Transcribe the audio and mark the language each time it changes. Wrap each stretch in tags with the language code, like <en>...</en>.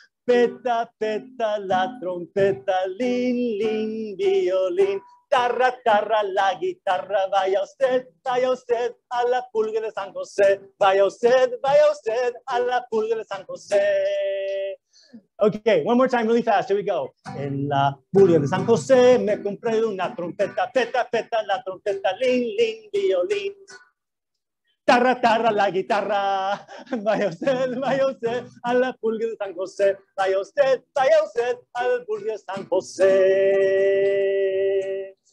<es>Peta, peta, la trompeta. Lin, lin, violín. Tarra, tarra, la guitarra. Vaya usted a la pulga de San José. Vaya usted a la pulga de San José.</es> <en>Okay, one more time, really fast. Here we go.</en> <es>En la pulga de San José me compré una trompeta. Peta, peta, la trompeta. Lin, lin, violín. Tarra, tarra, la guitarra. Vaya usted a la pulga de San José. Vaya usted a la pulga de San José.</es>